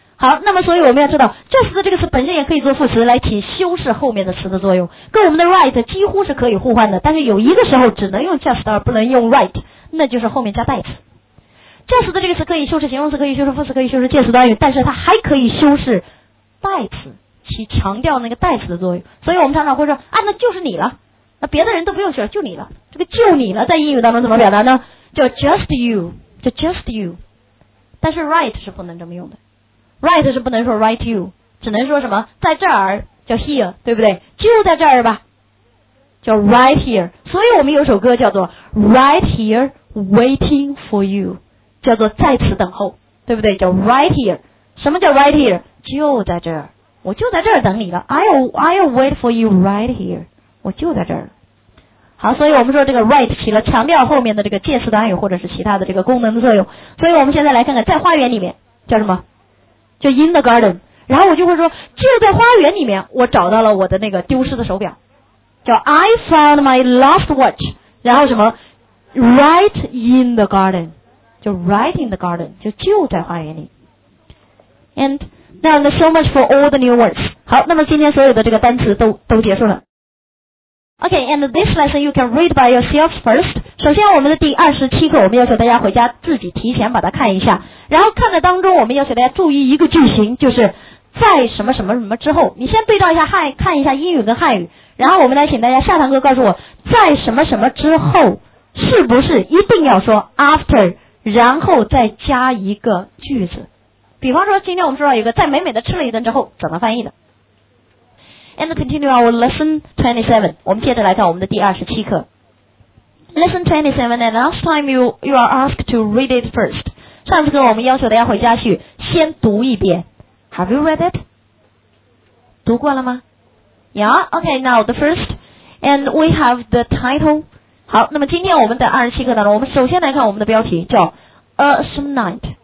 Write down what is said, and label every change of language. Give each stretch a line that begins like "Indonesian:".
Chinese: 好，那么所以我们要知道 just 的这个词本身也可以做副词来起修饰后面的词的作用，跟我们的 right 几乎是可以互换的，但是有一个时候只能用 just 而不能用 right， 那就是后面加代词。 just 的这个词可以修饰形容词，可以修饰副词，可以修饰介词短语，但是它还可以修饰代词，起强调那个代词的作用。所以我们常常会说，啊，那就是你了，那别的人都不用学了，就你了。这个就你了在英语当中怎么表达呢？
English: 叫 just you， 叫 just you。
Chinese: 但是 right 是不能这么用的， right 是不能说 right you， 只能说什么在这儿叫 here， 对不对？就在这儿吧，叫 right here。所以我们有首歌叫做 right here waiting for you， 叫做在此等候，对不对？叫 right here。什么叫 right here？就在这儿，我就在这儿等你了。
English: I'll wait for you right here，
Chinese: 我就在这儿。好，所以我们说这个 right 起了强调后面的这个介词短语或者是其他的这个功能的作用。所以我们现在来看看，在花园里面叫什么？
English: 叫 in the garden。
Chinese: 然后我就会说，就在花园里面我找到了我的那个丢失的手表，叫
English: I found my lost watch。
Chinese: 然后什么？
English: right in the garden， 就 right in the garden，
Chinese: 就在花园里。
English: and now there's so much for all the new words。
Chinese: 好，那么今天所有的这个单词都结束了。
English: Okay, and this lesson you can read by yourself first.
Chinese: 首先我们的第27课我们要求大家回家自己提前把它看一下，然后看的当中我们要求大家注意一个句型，就是在什么什么什么之后。你先对照一下汉，看一下英语跟汉语，然后我们来请大家下堂课告诉我，在什么什么之后是不是一定要说 after， 然后再加一个句子。比方说今天我们说到一个在美美的吃了一顿之后怎么翻译的。
English: And continue our lesson 27.
Chinese: 我们接着来看我们的第27课。
English: Lesson 27, and last time you are asked to read it first.
Chinese: 上次课我们要求大家回家去先读一遍。
English: Have you read it?
Chinese: 读过了吗？
English: Yeah, okay, now the first. And we have the title.
Chinese: 好，那么今天我们的27课当中，我们首先来看我们的标题，叫 A Some Night.